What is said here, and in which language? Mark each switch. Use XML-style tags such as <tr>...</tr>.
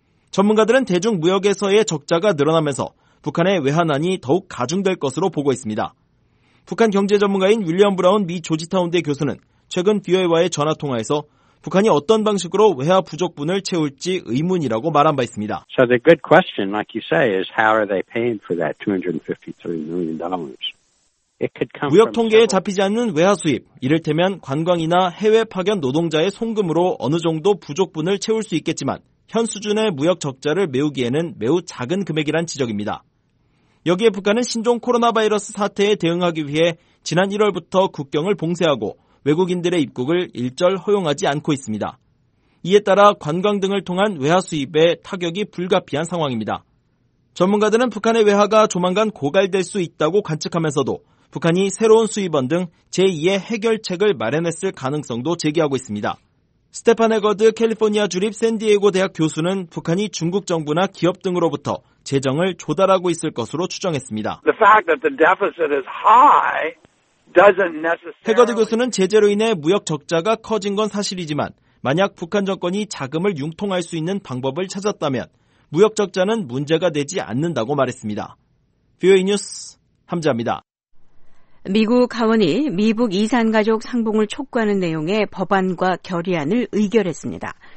<ko>전문가들은 대중 무역에서의 적자가 늘어나면서 북한의 외환난이 더욱 가중될 것으로 보고 있습니다. 북한 경제 전문가인 윌리엄 브라운 미 조지타운대 교수는 최근 BOA와의 전화 통화에서 북한이 어떤 방식으로 외화 부족분을 채울지 의문이라고 말한 바 있습니다.</ko> <en>So the good question, like you say, is how are they paying for that $253 million?</en> <ko>무역 통계에 잡히지 않는 외화 수입, 이를테면 관광이나 해외 파견 노동자의 송금으로 어느 정도 부족분을 채울 수 있겠지만 현 수준의 무역 적자를 메우기에는 매우 작은 금액이란 지적입니다. 여기에 북한은 신종 코로나 바이러스 사태에 대응하기 위해 지난 1월부터 국경을 봉쇄하고 외국인들의 입국을 일절 허용하지 않고 있습니다. 이에 따라 관광 등을 통한 외화 수입에 타격이 불가피한 상황입니다. 전문가들은 북한의 외화가 조만간 고갈될 수 있다고 관측하면서도 북한이 새로운 수입원 등 제2의 해결책을 마련했을 가능성도 제기하고 있습니다. 스테판 에거드 캘리포니아 주립 샌디에고 대학 교수는 북한이 중국 정부나 기업 등으로부터 재정을 조달하고 있을 것으로 추정했습니다.</ko> <en>The fact that the deficit is high doesn't necessarily...</en> <ko>해거드 교수는 제재로 인해 무역 적자가 커진 건 사실이지만 만약 북한 정권이 자금을 융통할 수 있는 방법을 찾았다면 무역 적자는 문제가 되지 않는다고 말했습니다. VOA 뉴스 함지아입니다. 미국 하원이 미북 이산가족 상봉을 촉구하는 내용의 법안과 결의안을 의결했습니다.</ko>